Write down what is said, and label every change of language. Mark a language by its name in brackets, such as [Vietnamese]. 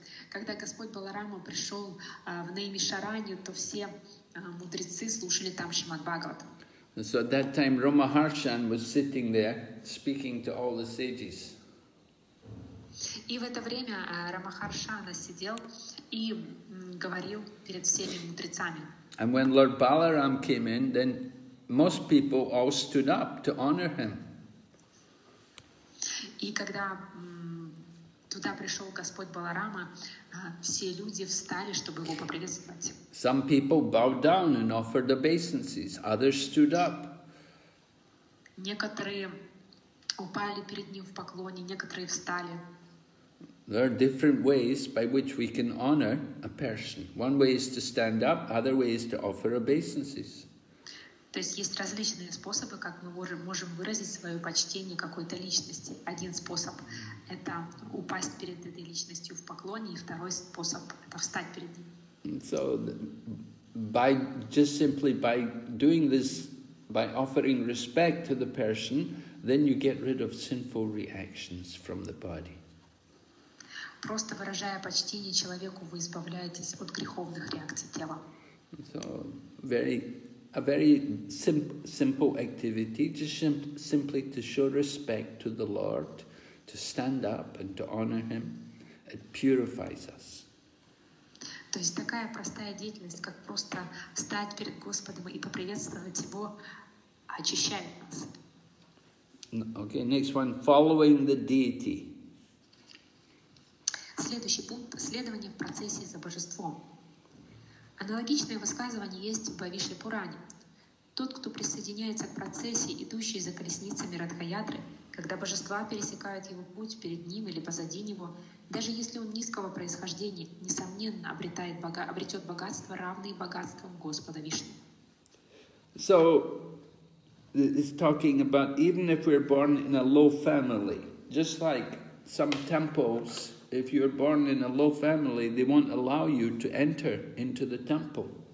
[Russian] когда Господь Баларама пришел в Наймишаранью, то все мудрецы слушали там Шримад Бхагаватам. [English] And so at that time, Рома Харшан was sitting there, speaking to all the sages. [Russian] И в это время Рамахаршана сидел и говорил перед всеми мудрецами. [English] And when Lord Balaram came in, then most people all stood up to honor him. [Russian] И когда туда пришел Господь Баларама, все люди встали, чтобы его поприветствовать. [English] Some people bowed down and offered obeisances. Others stood up. [Russian] Некоторые упали перед ним в поклоне, некоторые встали. [English] There are different ways by which we can honor a person. One way is to stand up, other way is to offer obeisances. [Russian] То есть есть различные способы, как мы можем выразить свое почтение какой-то личности. Один способ – это упасть перед этой личностью в поклоне, и второй способ – это встать перед ним. [English] So, by just simply by doing this, by offering respect to the person, then you get rid of sinful reactions from the body. [Russian] Просто выражая почтение человеку, вы избавляетесь от греховных реакций тела. [English] So, a very simple activity, just simply to show respect to the Lord, to stand up and to honor Him, it purifies us. [Russian] То есть такая простая деятельность, как просто встать перед Господом и поприветствовать Его, очищает нас. [English] Okay, next one, following the deity. [Russian] Следующий пункт – следование в процессе за божеством. Аналогичное высказывание есть в Бхавишве Пуране. Тот, кто присоединяется к процессии, идущей за колесницами Радхаятры, когда божества пересекают его путь перед ним или позади него, даже если он низкого происхождения, несомненно, обретет богатство, равное богатствам Господа Вишну. [English] So, it's talking about even if we're born in a low family, just like some temples, if you're born in a low family, they won't allow you to enter into the temple.